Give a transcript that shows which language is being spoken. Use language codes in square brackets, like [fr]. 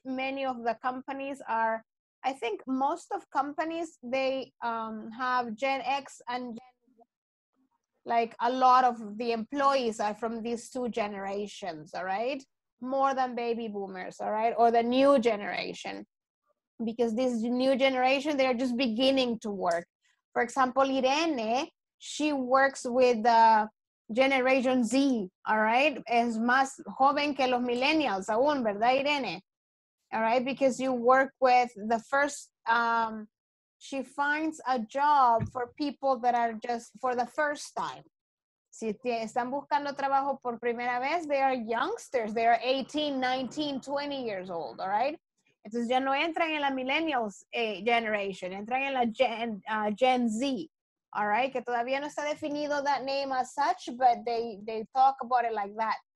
[en] Many of the companies are, I think most of companies, they have Gen X and Gen like a lot of the employees are from these two generations, all right? More than baby boomers, all right? Or the new generation. Because this new generation, they're just beginning to work. For example, Irene, she works with the Generation Z, all right? [es] Es más joven que los millennials aún, ¿verdad, Irene? [en] All right? Because you work with the first... she finds a job for people that are just for the first time. [es] Si están buscando trabajo por primera vez, [en] they are youngsters. They are 18, 19, 20 years old, all right? [es] Entonces ya no entran en la [en] millennials generation, [es] entran en la [en] Gen Z, all right? [es] Que todavía no está definido [en] that name as such, but they talk about it like that.